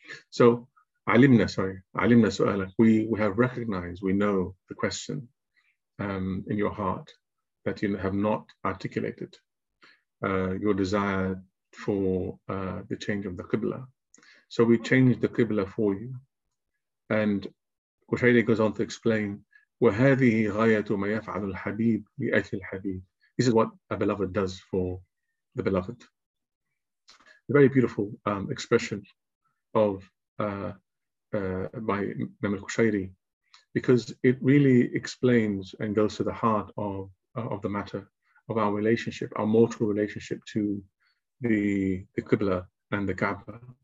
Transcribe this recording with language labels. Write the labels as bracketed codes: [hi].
[ar] So, alimna su'alak. [en] We have recognized, we know the question in your heart that you have not articulated your desire for the change of the Qibla. So we changed the Qibla for you. And Qushayri goes on to explain, [ar] وَهَذِهِ غَيَةُ مَا يَفْعَلُ الْحَبِيبُ لِأَجْلِ الْحَبِيبِ. [en] This is what a beloved does for the beloved. A very beautiful expression of by Imam al-Qushayri, because it really explains and goes to the heart of the matter of our relationship, our mortal relationship to the Qibla and the Kaaba.